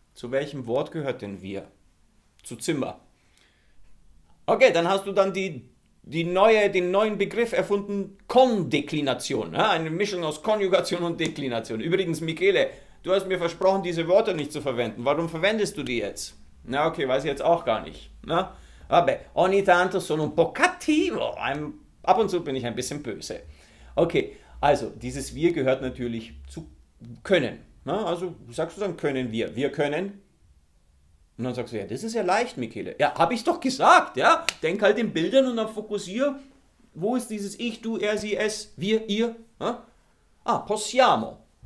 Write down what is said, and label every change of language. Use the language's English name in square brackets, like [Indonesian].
[German] Zu welchem Wort gehört denn wir? Zu Zimmer. Okay, dann hast du dann den neuen Begriff erfunden, Kondeklination. Ja, eine Mischung aus Konjugation und Deklination. Übrigens, Michele, du hast mir versprochen, diese Wörter nicht zu verwenden. Warum verwendest du die jetzt? Na okay, weiß ich jetzt auch gar nicht. Na? [Italian] Vabbè, ogni tanto sono un po' cattivo. [German] Ab und zu bin ich ein bisschen böse. Okay, also dieses wir gehört natürlich zu können. Na? Also sagst du dann können wir. Wir können. Und dann sagst du, ja, das ist ja leicht, Michele. Ja, habe ich doch gesagt. Ja, denk halt in Bildern und dann fokussier, wo ist dieses ich, du, er, sie, es, wir, ihr. Na? [Italian] Ah, possiamo.